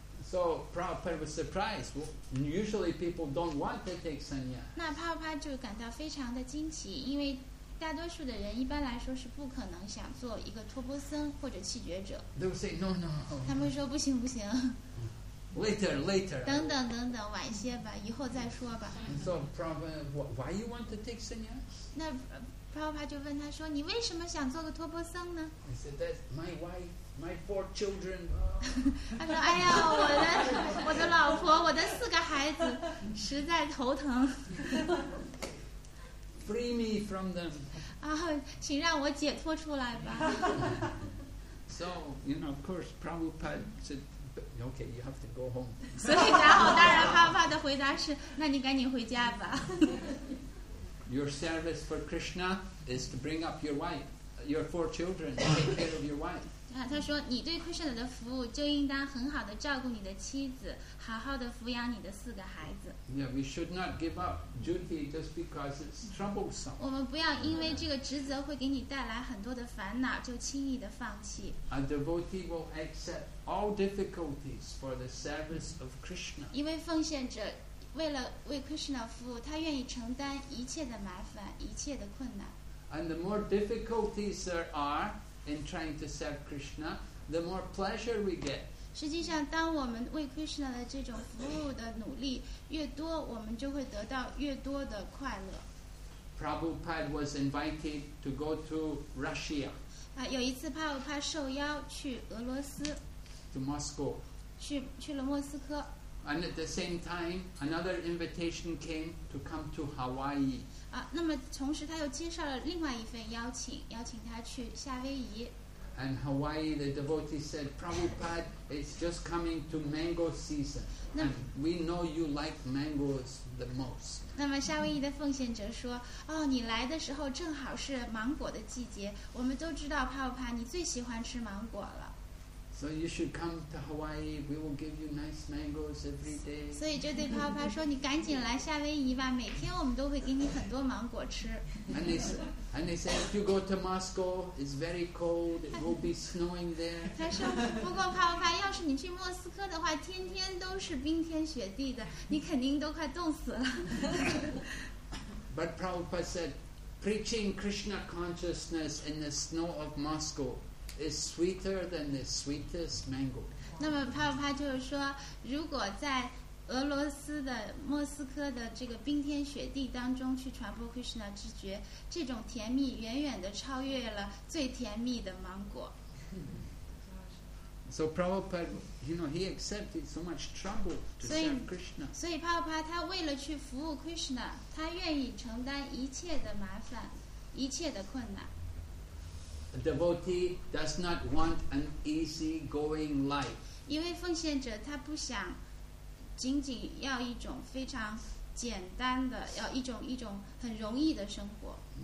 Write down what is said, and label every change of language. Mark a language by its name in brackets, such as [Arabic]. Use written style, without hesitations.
[English] So Prabhupada was surprised. Usually people don't want to take sannyas. [Chinese] 那Prabhupada就感到非常的惊奇，因为大多数的人一般来说是不可能想做一个托钵僧或者弃绝者。 [English] They would say no, no. [Chinese] 他们说不行不行。 [English] Later, later. [Chinese] 等等等等，晚些吧，以后再说吧。 [English] So Prabhupada, why you want to take sannyas? [Chinese] 那Prabhupada就问他说，你为什么想做个托钵僧呢？ [English] He said, that's my wife. My four children. [Chinese] 他说：“哎呀，我的老婆，我的四个孩子，实在头疼。 [English] ”Free me from them. [Chinese] 啊，请让我解脱出来吧。 [English] So, you know, of course, Prabhupada said, "Okay, you have to go home." [Chinese] 所以，然后当然，帕帕的回答是：“那你赶紧回家吧。 [English] ”Your service for Krishna is to bring up your wife, your four children, take care of your wife. [Chinese] 啊，他说你对 Krishna 的服务就应当很好的照顾你的妻子，好好的抚养你的四个孩子。 [English] Yeah, we should not give up duty just because it's troublesome. [Chinese] 我们不要因为这个职责会给你带来很多的烦恼就轻易的放弃。 [English] A devotee will accept all difficulties for the service of Krishna. [Chinese] 一位奉献者为了为 Krishna 服务，他愿意承担一切的麻烦，一切的困难。 [English] And the more difficulties there areIn trying to serve Krishna, the more pleasure we get. [Chinese] 实际上，当我们为 Krishna 的这种服务的努力越多，我们就会得到越多的快乐。 [English] Prabhupada was invited to go to Russia. [Chinese] 啊，有一次，帕鲁帕受邀去俄罗斯。 [English] To Moscow. [Chinese] 去了莫斯科。 [English] And at the same time, another invitation came to come to Hawaii. [Chinese] 啊，那么同时他又接受了另外一份邀请，邀请他去夏威夷。 [English] And Hawaii, the devotee said, Prabhupada, it's just coming to mango season. And we know you like mangoes the most. [Chinese] 那么夏威夷的奉献者说，哦，你来的时候正好是芒果的季节，我们都知道Prabhupada你最喜欢吃芒果了。 [English] So you should come to Hawaii. We will give you nice mangoes every day. [Chinese] 所以就对帕帕说，你赶紧来夏威夷吧，每天我们都会给你很多芒果吃。 [English] And they say, if you go to Moscow, it's very cold. It will be snowing there. [Chinese] 他说，不过帕帕，要是你去莫斯科的话，天天都是冰天雪地的，你肯定都快冻死了。 [English] But Prabhupada said, preaching Krishna consciousness in the snow of Moscow. Is sweeter than the sweetest mango. [Chinese] 那么帕帕帕就是说，如果在俄罗斯的莫斯科的这个冰天雪地当中去传播 Krishna 之觉，这种甜蜜远远的超越了最甜蜜的芒果。 [English] So Prabhupada, you know, he accepted so much trouble to serve Krishna. [Chinese] 所以帕帕帕他为了去服务 Krishna, 他愿意承担一切的麻烦，一切的困难。 [English] A devotee does not want an easy-going life. [Chinese] 一位奉献者他不想仅仅要一种非常简单的，要一种很容易的生活。